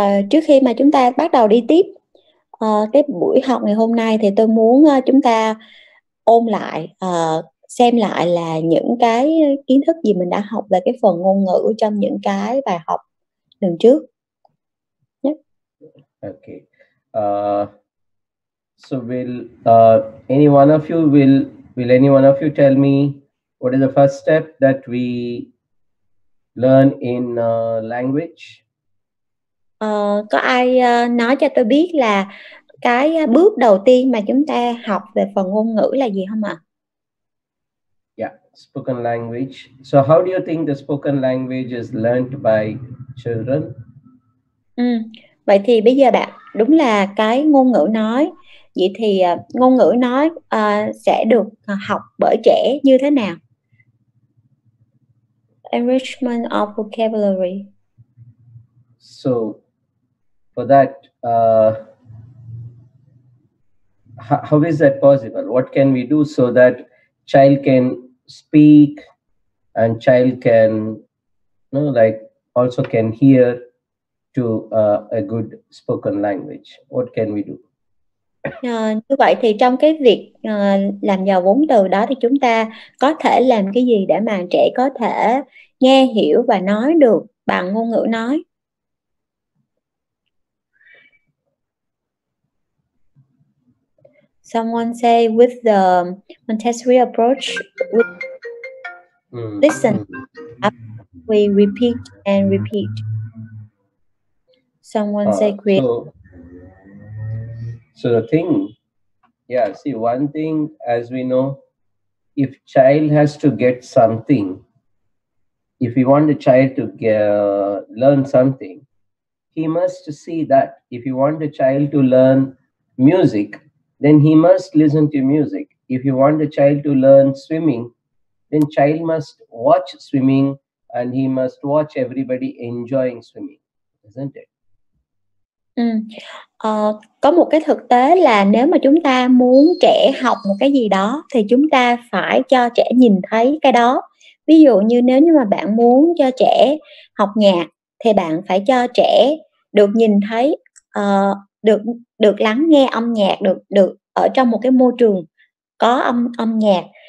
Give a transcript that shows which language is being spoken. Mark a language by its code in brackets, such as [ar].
[vi] Trước khi mà chúng ta bắt đầu đi tiếp cái buổi học ngày hôm nay, thì tôi muốn chúng ta ôn lại, xem lại là những cái kiến thức gì mình đã học về cái phần ngôn ngữ trong những cái bài học lần trước. [en] Okay. So will any one of you will any one of you tell me what is the first step that we learn in language? [vi] Có ai nói cho tôi biết là cái bước đầu tiên mà chúng ta học về phần ngôn ngữ là gì không ạ? [en] Yeah, spoken language. So how do you think the spoken language is learned by children? [vi] Vậy thì bây giờ bạn, đúng là cái ngôn ngữ nói, vậy thì ngôn ngữ nói sẽ được học bởi trẻ như thế nào? [en] Enrichment of vocabulary. So for that, how is that possible? What can we do so that child can speak and child can, you know, like also can hear to a good spoken language? What can we do? [vi] Như vậy thì trong cái việc làm giàu vốn từ đó, thì chúng ta có thể làm cái gì để mà trẻ có thể nghe hiểu và nói được bằng ngôn ngữ nói? [en] Someone say with the Montessori approach, we listen, we repeat and repeat. Someone say create. So the thing, yeah, see, one thing, as we know, if child has to get something, if we want the child to learn something, he must see that. If you want the child to learn music, then he must listen to music. If you want the child to learn swimming, then child must watch swimming and he must watch everybody enjoying swimming, isn't it? [vi] Có một cái thực tế là nếu mà chúng ta muốn trẻ học một cái gì đó thì chúng ta phải cho trẻ nhìn thấy cái đó. Ví dụ như nếu như mà bạn muốn cho trẻ học nhạc thì bạn phải cho trẻ được nhìn thấy, được lắng nghe âm nhạc, được ở trong một cái môi trường có âm nhạc.